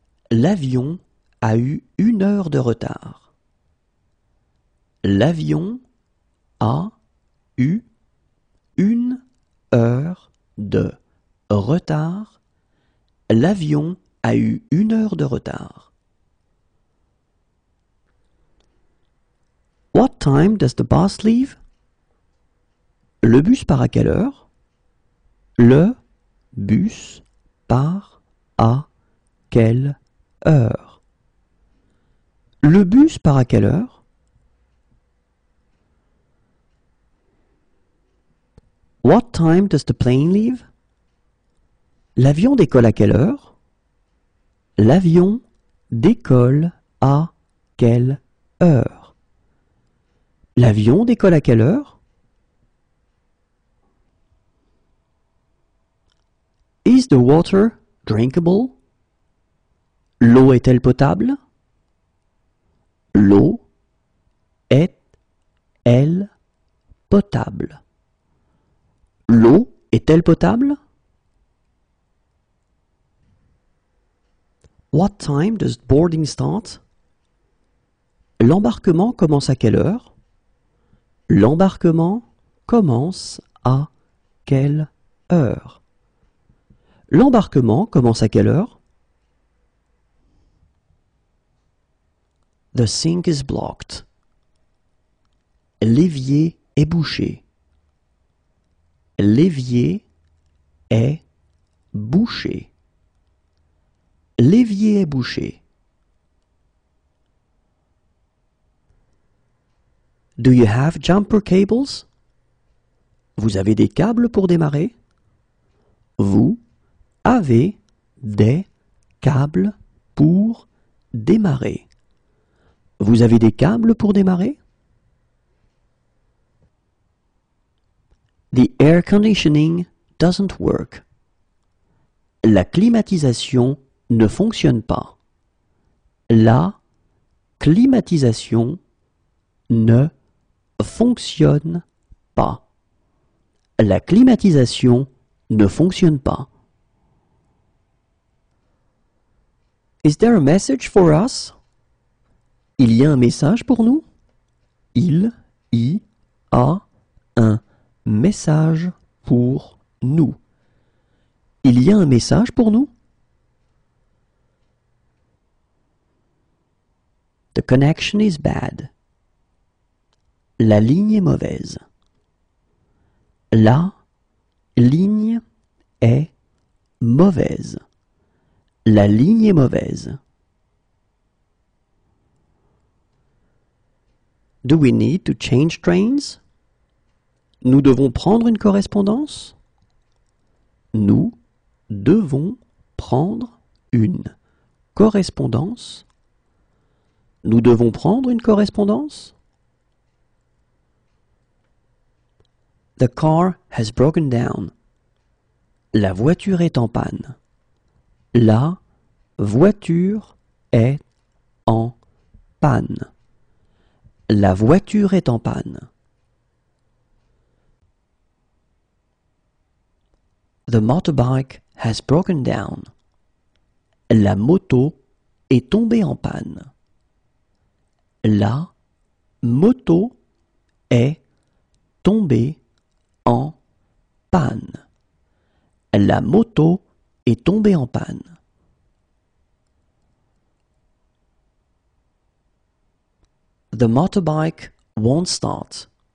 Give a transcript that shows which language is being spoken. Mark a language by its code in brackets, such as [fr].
[fr] L'avion a eu 1 heure de retard. L'avion a eu 1 heure de retard. L'avion a eu 1 heure de retard. [en] What time does the bus leave? [fr] Le bus part à quelle heure? Le bus part à quelle heure? Le bus part à quelle heure? [en] What time does the plane leave? [fr] L'avion décolle à quelle heure? L'avion décolle à quelle heure? L'avion décolle à quelle heure? [en] Is the water drinkable? [fr] L'eau est-elle potable? L'eau est-elle potable? L'eau est-elle potable? [en] What time does boarding start? [fr] L'embarquement commence à quelle heure? L'embarquement commence à quelle heure? L'embarquement commence à quelle heure? [en] The sink is blocked. [fr] L'évier est bouché. L'évier est bouché. L'évier est bouché. [en] Do you have jumper cables? [fr] Vous avez des câbles pour démarrer? Vous avez des câbles pour démarrer? Vous avez des câbles pour démarrer? [en] The air conditioning doesn't work. [fr] La climatisation ne fonctionne pas. La climatisation ne fonctionne pas. La climatisation ne fonctionne pas. [en] Is there a message for us? [fr] Il y a un message pour nous? Il y a un message pour nous. Il y a un message pour nous? [en] The connection is bad. [fr] La ligne est mauvaise. La ligne est mauvaise. La ligne est mauvaise. [en] Do we need to change trains? [fr] Nous devons prendre une correspondance? Nous devons prendre une correspondance? Nous devons prendre une correspondance? [en] The car has broken down. [fr] La voiture est en panne. La voiture est en panne. La voiture est en panne. [en] The motorbike has broken down. [fr] La moto est tombée en panne. La moto est tombée en panne. La moto est tombée en panne. [en] The motorbike won't start.